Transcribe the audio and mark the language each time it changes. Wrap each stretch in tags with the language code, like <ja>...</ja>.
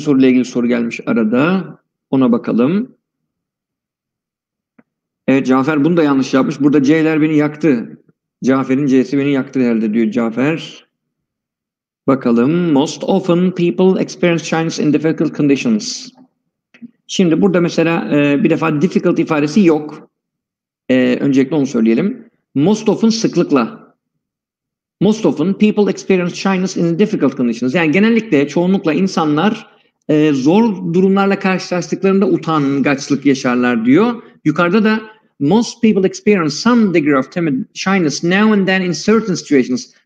<tr>soruyla ilgili soru gelmiş arada. Ona bakalım. Evet, Cafer bunu da yanlış yapmış. Burada C'ler beni yaktı. Cafer'in C'si beni yaktı herhalde diyor Cafer. Bakalım.</tr> <en>Most often people experience shyness in difficult conditions.</en> <tr>Şimdi burada mesela bir defa difficult ifadesi yok. Öncelikle onu söyleyelim. Most often sıklıkla.</tr> <en>Most often people experience shyness in difficult conditions.</en> <tr>Yani genellikle çoğunlukla insanlar zor durumlarla karşılaştıklarında utangaçlık yaşarlar diyor. Yukarıda da</tr> <en>most people experience some degree of timid shyness now and then in certain situations.</en>